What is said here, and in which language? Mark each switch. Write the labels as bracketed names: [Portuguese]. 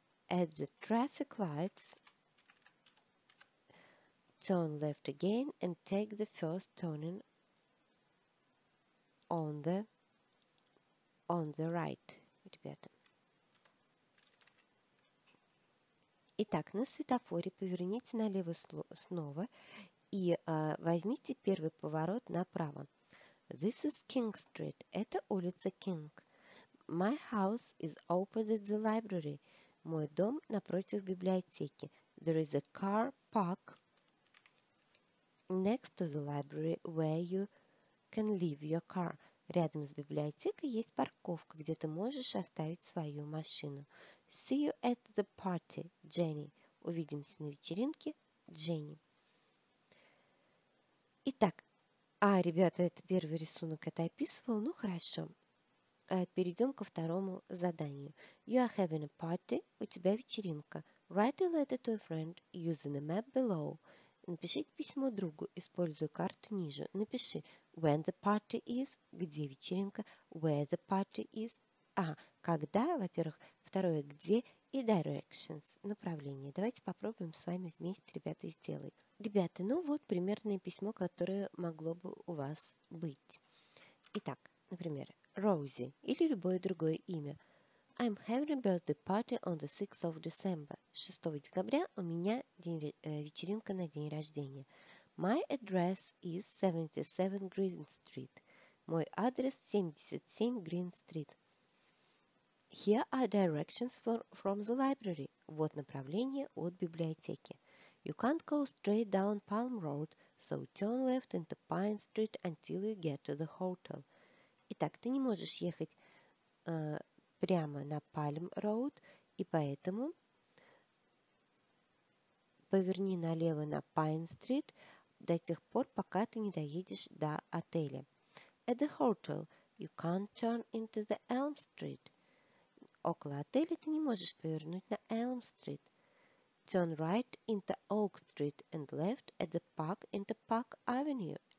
[English] At the traffic lights, turn left again and take the first turning on the right. [Russian] Ребята. Итак, на светофоре поверните налево снова и возьмите первый поворот направо. [English] This is King Street. [Russian] Это улица King. [English] My house is opposite the library. [Russian] Мой дом напротив библиотеки. [English] There is a car park next to the library where you can leave your car. [Russian] Рядом с библиотекой есть парковка, где ты можешь оставить свою машину. [English] See you at the party, Jenny. [Russian] Увидимся на вечеринке, Дженни. Итак, ребята, это первый рисунок, это описывал. Ну, хорошо. Перейдем ко второму заданию. [English] You are having a party. [Russian] У тебя вечеринка. [English] Write a letter to a friend using the map below. [Russian] Напишите письмо другу, используя карту ниже. Напиши, [English] when the party is, [Russian] где вечеринка, [English] where the party is. [Russian] Когда, во-первых, второе, где и directions, направление. Давайте попробуем с вами вместе, ребята, сделать. Ребята, ну вот примерное письмо, которое могло бы у вас быть. Итак, например, Rosie или любое другое имя. [English] I'm having a birthday party on the 6th of December. [Russian] 6 декабря у меня вечеринка на день рождения. [English] My address is 77 Green Street. [Russian] Мой адрес [English] 77 Green Street. Here are directions from the library. [Russian] Вот направление от библиотеки. [English] You can't go straight down Palm Road, so turn left into Pine Street until you get to the hotel. [Russian] Итак, ты не можешь ехать прямо на Palm Road, и поэтому поверни налево на Pine Street до тех пор, пока ты не доедешь до отеля. [English] At the hotel, you can't turn into the Elm Street. [Russian] Около отеля ты не можешь повернуть на Elm Street. [English] Turn right into Oak Street and left at the park into Park Avenue.